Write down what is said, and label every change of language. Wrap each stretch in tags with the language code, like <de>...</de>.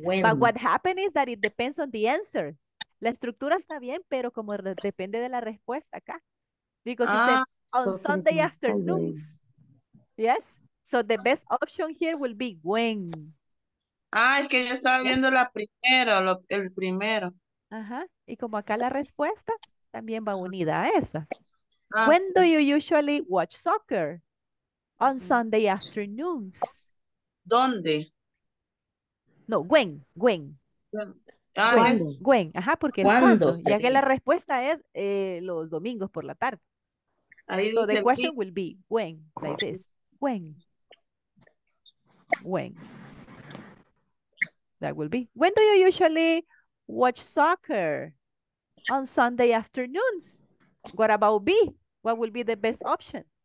<en>But what happened is that it depends on the answer.</en> <es>La estructura está bien, pero como depende de la respuesta acá.</es> <en>Because it says, on Sunday afternoons. Yes? So the best option here will be when.</en> <es>Ah, es que yo estaba viendo la primera, el primero. Ajá. Y como acá la respuesta también va unida a esa.</es> <en>When do you usually watch soccer? On Sunday afternoons.</en> <es>¿Dónde?</es> <en>No, when. When.</en> <es>Ajá, porque ¿cuándo? Ya que la respuesta es los domingos por la tarde. Ahí</es> <en>so the question will be when, like this. When. That will be. When do you usually watch soccer? On Sunday afternoons. What about B? What will be the best option?</en>